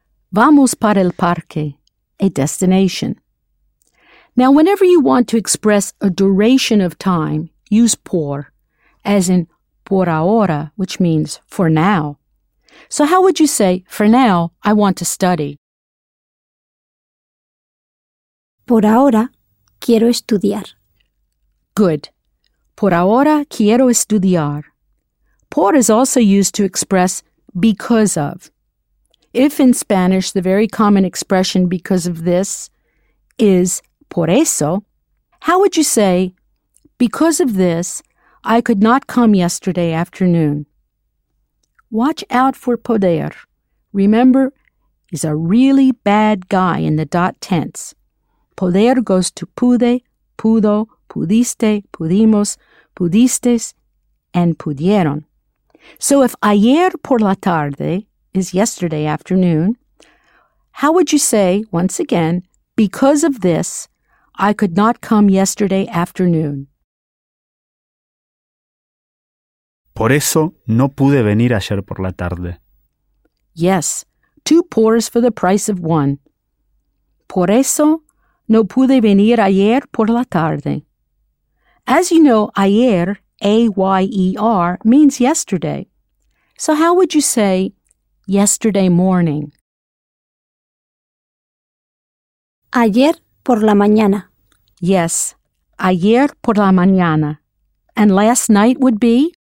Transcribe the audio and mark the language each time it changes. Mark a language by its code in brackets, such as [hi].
[es] Vamos para el parque, [en] a destination. Now, whenever you want to express a duration of time, use por, as in [es] por ahora, [en] which means for now. So how would you say, for now, I want to study? [es] Por ahora, quiero estudiar. [en] Good. [es] Por ahora, quiero estudiar. [en] Por is also used to express because of. If in Spanish the very common expression because of this is [es] por eso, [en] how would you say, because of this, I could not come yesterday afternoon? Watch out for poder. Remember, he's a really bad guy in the dot tense. Poder goes to pude, pudo, pudiste, pudimos, pudistes, and pudieron. So if [es] ayer por la tarde [en] is yesterday afternoon, how would you say, once again, because of this, I could not come yesterday afternoon? [es] Por eso no pude venir ayer por la tarde. [en] Yes, two pours for the price of one. [es] Por eso no pude venir ayer por la tarde. [en] As you know, ayer, A-Y-E-R, means yesterday. So how would you say yesterday morning? [es] Ayer por la mañana. [en] Yes, [es] ayer por la mañana. [en] And last night would be?